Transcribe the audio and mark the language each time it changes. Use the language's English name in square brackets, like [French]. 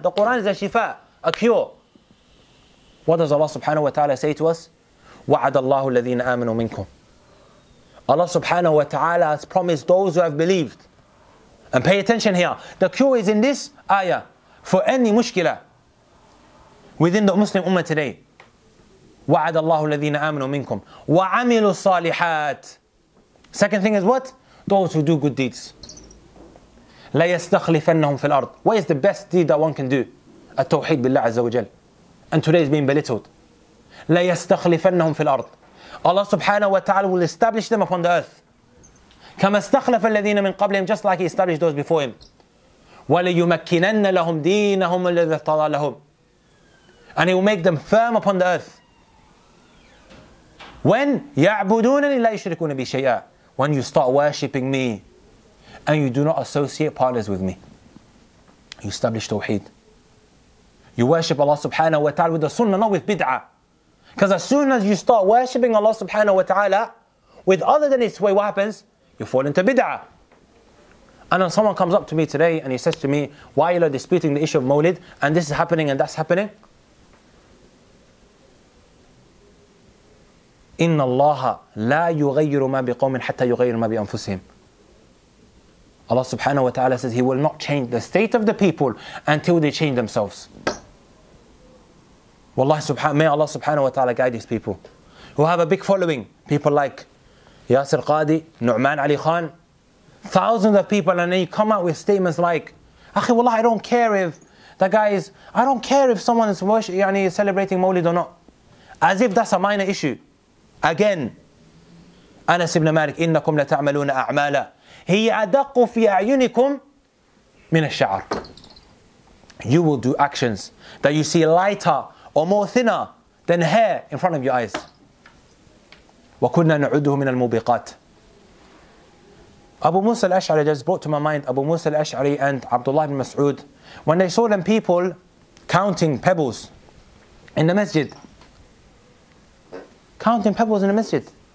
[English] The Quran is a shifa, a cure. What does Allah subhanahu wa ta'ala say to us? [Arabic] وَعَدَ اللَّهُ الَّذِينَ آمَنُوا مِنْكُمْ. [English] Allah subhanahu wa ta'ala has promised those who have believed. And pay attention here. The cure is in this ayah for any mushkila within the Muslim ummah today. [Arabic] وعد الله الذين آمنوا منكم وعملوا الصالحات. [English] Second thing is what? Those who do good deeds. [Arabic] لا يستخلفنهم في الأرض. [English] What is the best deed that one can do? [Arabic] التوحيد بالله عز وجل. [English] And today is being belittled. [Arabic] لا يستخلفنهم في الأرض. [English] Allah subhanahu wa ta'ala will establish them upon the earth. [Arabic] كما استخلف الذين من قبلهم, [English] just like he established those before him. [Arabic] وليمكنن لهم دينهم الذي ارتضى لهم. [English] And he will make them firm upon the earth. [Arabic] When يعبدونني لا يشركون بي شيئا. [English] When you start worshipping me and you do not associate partners with me. You establish tawheed. You worship Allah subhanahu wa ta'ala with the sunnah, not with bid'ah. Because as soon as you start worshipping Allah subhanahu wa ta'ala with other than its way, what happens? You fall into bid'ah. And then someone comes up to me today and he says to me, why are you disputing the issue of mawlid? And this is happening and that's happening. [Arabic] إِنَّ اللَّهَ لَا يُغَيِّرُ مَا بِقَوْمٍ حَتَّى يُغَيِّرُ مَا بِأَنفُسِهِمْ. [English] Allah subhanahu wa ta'ala says, He will not change the state of the people until they change themselves. May Allah subhanahu wa ta'ala guide these people who have a big following. People like Yasir Qadi, Nu'man Ali Khan, thousands of people, and then you come out with statements like, [Arabic] أخي والله, [English] I don't care if that guy is, I don't care if someone is celebrating Mawlid or not. As if that's a minor issue. [Arabic] Again, Anas ibn Malik, إِنَّكُمْ لَتَعْمَلُونَ أَعْمَالًا هِيَ أَدَقُّ فِي أَعْيُنِكُمْ مِنَ الشَّعَرِ. [English] You will do actions that you see lighter or more thinner than hair in front of your eyes. [Arabic] وَكُنَّا نُعُدُّهُ مِنَ الْمُبِقَاتِ. [English] Abu Musa al-Ash'ari, just brought to my mind, Abu Musa al-Ash'ari and Abdullah ibn Mas'ud, when they saw them people counting pebbles in the masjid, counting pebbles in the masjid.